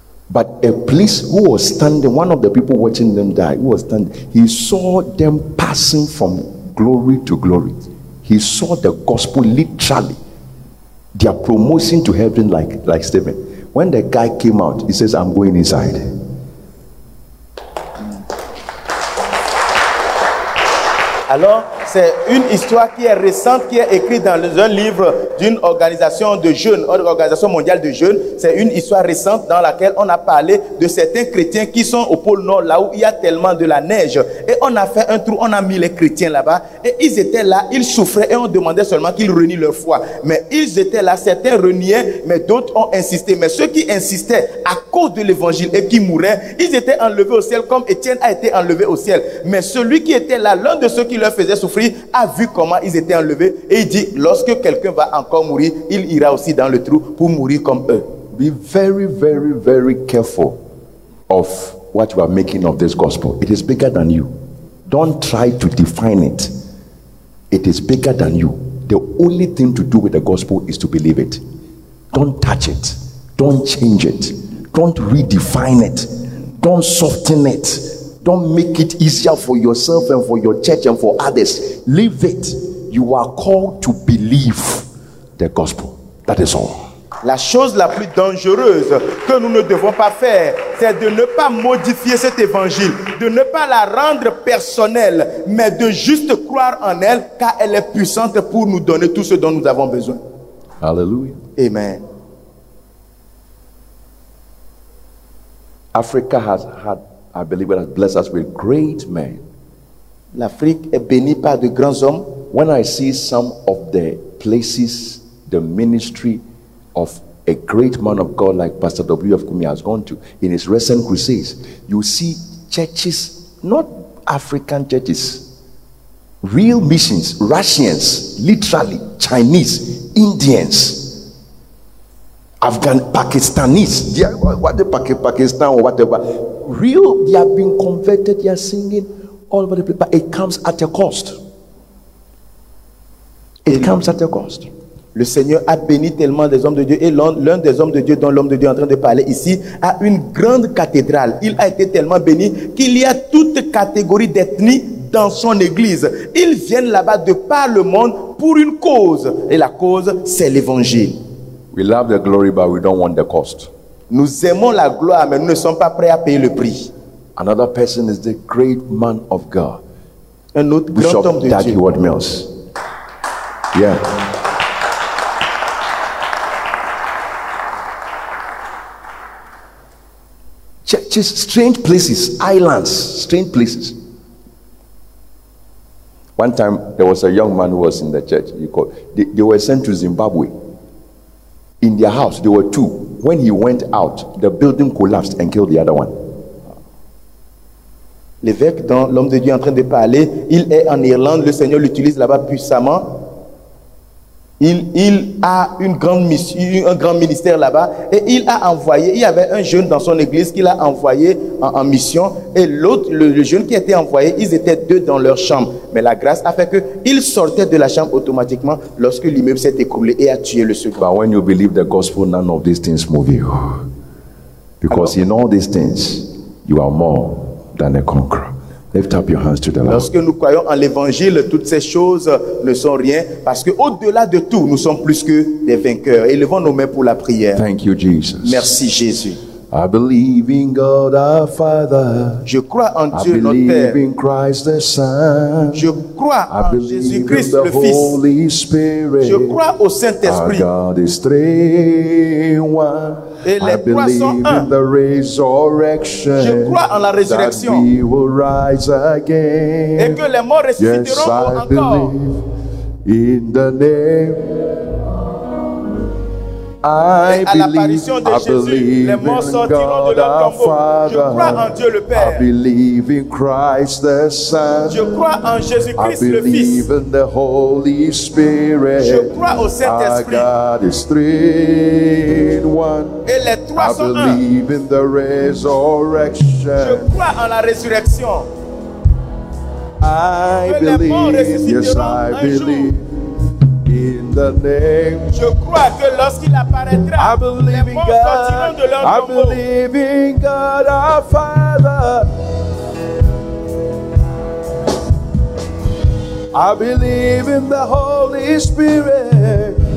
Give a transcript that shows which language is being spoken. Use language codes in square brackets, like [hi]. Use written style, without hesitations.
[en] But a police who was standing, one of the people watching them die, who was standing, he saw them passing from glory to glory. He saw the gospel literally. They are promoting to heaven like Stephen. When the guy came out, he says, I'm going inside. [fr] Alors, c'est une histoire qui est récente, qui est écrite dans un livre d'une organisation de jeunes, une organisation mondiale de jeunes. C'est une histoire récente dans laquelle on a parlé de certains chrétiens qui sont au pôle Nord, là où il y a tellement de la neige. Et on a fait un trou, on a mis les chrétiens là-bas. Et ils étaient là, ils souffraient et on demandait seulement qu'ils renient leur foi. Mais ils étaient là, certains reniaient, mais d'autres ont insisté. Mais ceux qui insistaient à cause de l'évangile et qui mouraient, ils étaient enlevés au ciel comme Étienne a été enlevé au ciel. Mais celui qui était là, l'un de ceux qui leur faisait souffrir a vu comment ils étaient enlevés et il dit, lorsque quelqu'un va encore mourir, il ira aussi dans le trou pour mourir comme eux. [en] Be very, very, very careful of what you are making of this gospel. It is bigger than you. Don't try to define it. It is bigger than you. The only thing to do with the gospel is to believe it. Don't touch it. Don't change it. Don't redefine it. Don't soften it. Don't make it easier for yourself and for your church and for others. Leave it. You are called to believe the gospel. That is all. [fr] La chose la plus dangereuse que nous ne devons pas faire, c'est de ne pas modifier cet évangile, de ne pas la rendre personnelle, mais de juste croire en elle, car elle est puissante pour nous donner tout ce dont nous avons besoin. Alléluia. Amen. [en] Africa has had, I believe, it has blessed us with great men. [fr] L'Afrique est bénie par de grands hommes. [en] When I see some of the places, the ministry of a great man of God like Pastor W.F. Kumi has gone to in his recent crusades, you see churches, not African churches, real missions, Russians, literally Chinese, Indians, Afghan, Pakistanis, Pakistan or whatever, real, they have been converted, they are singing all over the place, but it comes at a cost. It comes at a cost. [fr] Le Seigneur a béni tellement des hommes de Dieu et l'un des hommes de Dieu dont l'homme de Dieu est en train de parler ici a une grande cathédrale. Il a été tellement béni qu'il y a toute catégorie d'ethnie dans son église. Ils viennent là-bas de par le monde pour une cause et la cause c'est l'évangile. [en] We love the glory but we don't want the cost. [fr] Nous aimons la gloire mais nous ne sommes pas prêts à payer le prix. [en] Another person is the great man of God. [fr] Un autre [en] Bishop [fr] grand homme de [en] Daddy [fr] Dieu. [en] Ward Mills. Yeah. Churches, strange places, islands, strange places. One time, there was a young man who was in the church. He called. They were sent to Zimbabwe. In their house, there were two. When he went out, the building collapsed and killed the other one. [fr] L'évêque, dont l'homme de Dieu est en train de parler, il est en Irlande. Le Seigneur l'utilise là-bas puissamment. Il a une grande mission, un grand ministère là-bas et il a envoyé, il y avait un jeune dans son église qu'il a envoyé en mission et l'autre, le jeune qui était envoyé, ils étaient deux dans leur chambre. Mais la grâce a fait qu'ils sortaient de la chambre automatiquement lorsque l'immeuble s'est écroulé et a tué le second. [en] But when you believe the gospel, none of these things move you. Because alors, in all these things, you are more than a conqueror. Lift up your hands to the Lord. [fr] Lorsque nous croyons en l'évangile, toutes ces choses ne sont rien parce que au-delà de tout, nous sommes plus que des vainqueurs. Élevons nos mains pour la prière. [en] Thank you, Jesus. [fr] Merci Jésus. [en] I believe in God our Father. [fr] Je crois en [en] I [fr] Dieu notre Père. [en] I believe in Christ the Son. [fr] Je crois [en] I [fr] en Jésus Christ le [en] Holy [fr] Fils. [en] Spirit. [fr] Je crois au Saint-Esprit. [en] Our God is three one. [fr] Et les [en] I believe [fr] un. [en] In the resurrection. [fr] Je crois en la résurrection. [en] That we will rise again. [fr] Et que les morts ressusciteront [en] yes, [fr] encore. [en] Yes, I believe in the name. I believe in God our Father. [fr] Je crois en Dieu le Père. [en] I believe in Christ the Son. [fr] Je crois en Jésus Christ le Fils. [en] I believe in the Holy Spirit. [fr] Je crois au Saint-Esprit. [en] Our God is three in one. [fr] Et les trois sont un. [en] I believe in the resurrection. [fr] Je crois en la résurrection. [en] I believe. Yes, I believe. The name. [fr] Je crois que lorsqu'il apparaîtra, [en] I believe in God. I believe in God, our Father. I believe in the Holy Spirit.